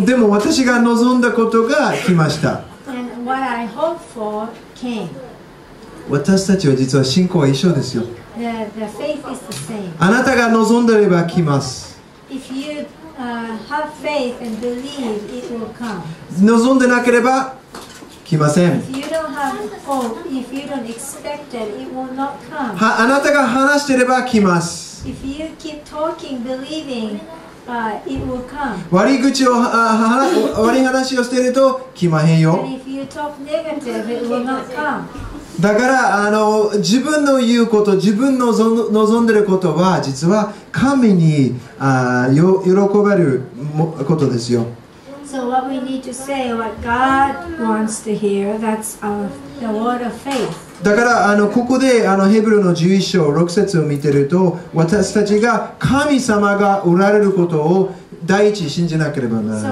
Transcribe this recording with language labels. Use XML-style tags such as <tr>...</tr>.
<ja>でも私が望んだことが来ました。</ja> <en>what I hope for came.</en> <ja>私たちは実は信仰は一緒ですよ。</ja> <en>The faith is the same.</en> <ja>あなたが望んでれば来ます。</ja> <en>If you, have faith and believe, it will come.</en> <ja>望んでなければ来ません。あなたが話してれば来ます。</ja> <en>If you keep talking, believing, it will come.</en> <ja>悪い口を、悪い話をしていると来まへんよ。</ja> <en>And if you talk negative, it will not come.</en> <ja>だから自分の言うこと、自分の望んでることは実は神に喜ばれることですよ。</ja> <en>So what we need to say, what God wants to hear, that's the word of faith.</en> <ja>だからここでヘブルの11章6節を見てると、私たちが神様がおられることを第一信じなければならない。</ja>